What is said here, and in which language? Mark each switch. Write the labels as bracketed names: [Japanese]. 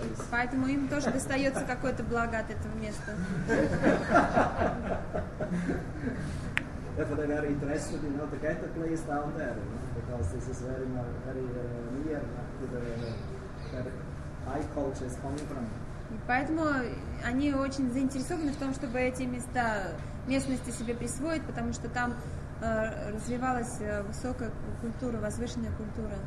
[Russian] Поэтому им тоже достается какое-то благо от этого места. [English] Therefore, they're very interested in how to get a place down there, you know, because this is very, very near to the where high culture is coming from. [Russian] И поэтому они очень заинтересованы в том, чтобы эти места, местности себе присвоить, потому что там развивалась высокая культура, возвышенная культура.